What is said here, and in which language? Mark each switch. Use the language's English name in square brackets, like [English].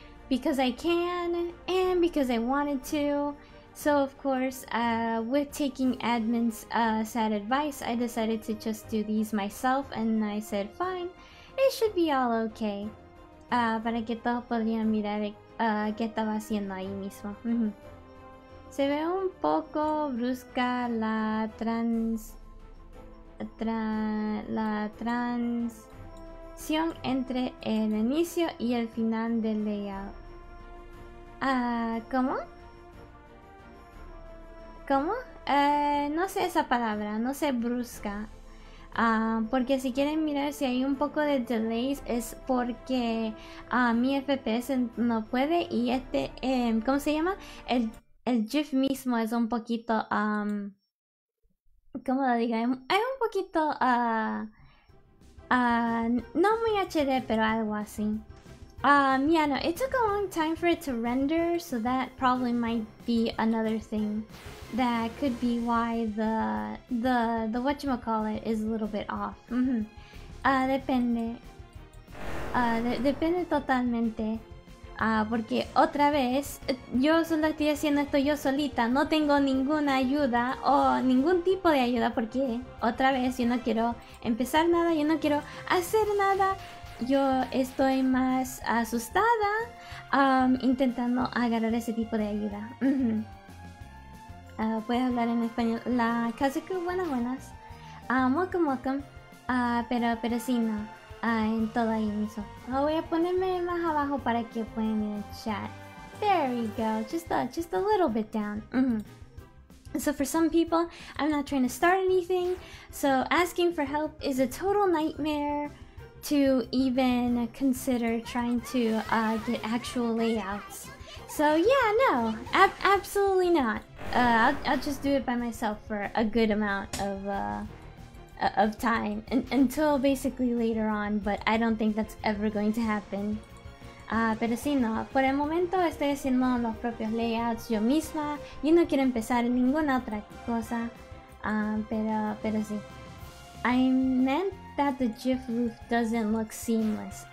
[English] Because I can and because I wanted to. So of course, with taking admin's sad advice, I decided to just do these myself and I said, fine, it should be all okay. [Spanish] Para que todos podrían mirar qué estaba haciendo ahí mismo. Se ve un poco brusca la trans. La transición entre el inicio y el final del layout. ¿Cómo? ¿Cómo? No sé esa palabra, no sé brusca. Porque si quieren mirar si hay un poco de delays es porque mi FPS no puede y este, ¿cómo se llama? El GIF mismo es un poquito, ¿cómo lo digo? Es un poquito, no muy HD, pero algo así. [English] Yeah, no, it took a long time for it to render, so that probably might be another thing that could be why the whatchamacallit is a little bit off. [Spanish] Depende. Depende totalmente. Porque otra vez, yo solo estoy haciendo esto yo solita, no tengo ninguna ayuda o ningún tipo de ayuda porque otra vez yo no quiero empezar nada, yo no quiero hacer nada. Yo estoy más asustada, intentando agarrar ese tipo de ayuda. Puedes hablar en español. La Kazuku, buenas, buenas. [English] Welcome. [Spanish] Pero sí, no. En todo ahí mismo. Voy a ponerme más abajo para que puedan ir al chat. [English] There we go. Just a little bit down. So for some people, I'm not trying to start anything. So asking for help is a total nightmare. To even consider trying to get actual layouts. So, yeah, no, absolutely not. I'll just do it by myself for a good amount of time until basically later on, but I don't think that's ever going to happen. [Spanish] Pero sí, no, por el momento estoy haciendo los propios layouts yo misma y no quiero empezar en ninguna otra cosa. Pero sí. [English] I meant that the GIF roof doesn't look seamless.